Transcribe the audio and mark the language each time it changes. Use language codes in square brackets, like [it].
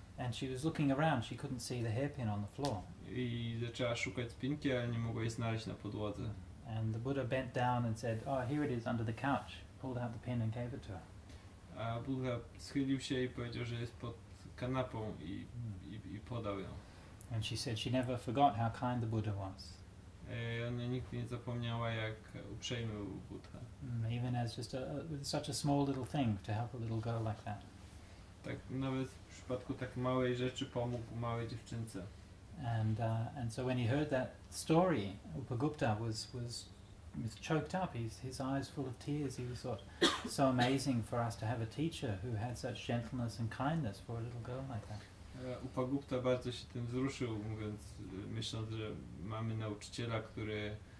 [en] And she was looking around, she couldn't see the hairpin on the floor. [pl] I zaczęła szukać spinki, ale nie mogła jej znaleźć na podłodze. [en] And the Buddha bent down and said, oh, here it is under the couch. Pulled out the pin and gave it to her. [pl] A Buddha schylił się i powiedział, że jest pod kanapą i podał ją. [en] And she said she never forgot how kind the Buddha was. [pl] Ona nigdy nie zapomniała, jak uprzejmy był Buddha. [en] Even as just with such a small little thing to help a little girl like that. [pl] Tak nawet w przypadku tak małej rzeczy pomógł małej dziewczynce. [en] And so when he heard that story, Upagupta was choked up. His eyes full of tears. He was thought so amazing for us to have a teacher who had such gentleness and kindness for a little girl like that. [pl] Upagupta bardzo się tym wzruszył, myśląc, że mamy nauczyciela, który